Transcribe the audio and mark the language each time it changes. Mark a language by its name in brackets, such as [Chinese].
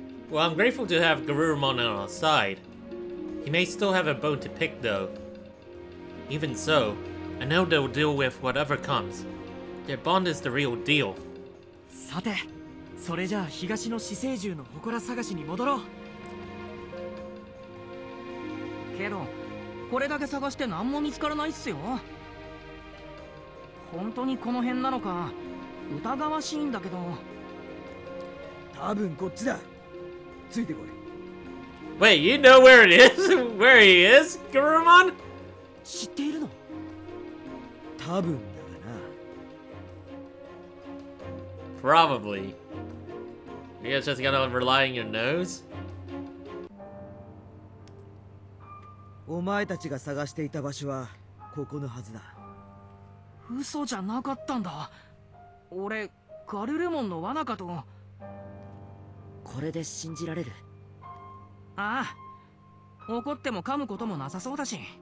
[English] Well, I'm grateful to have Garurumon on our side. He may still have a bone to pick, though. Even so, I know they'll deal with whatever comes. Their bond is the real deal. [Japanese] さて、それじゃあ東の四星獣の祠探しに戻ろう。けど、これだけ探して何も見つからないっすよ。本当にこの辺なのか、疑わしいんだけど。多分こっちだ。ついてこい。 [English] Wait, you know where it is? Where he is, Garurumon? [Japanese] 知っているの？多分だがな。 [English] Probably. You guys just gonna rely on your nose? [Japanese] お前たちが探していた場所はここのはずだ。嘘じゃなかったんだ。俺、ガルルモンの罠かと。これで信じられる。ああ、怒っても噛むこともなさそうだし。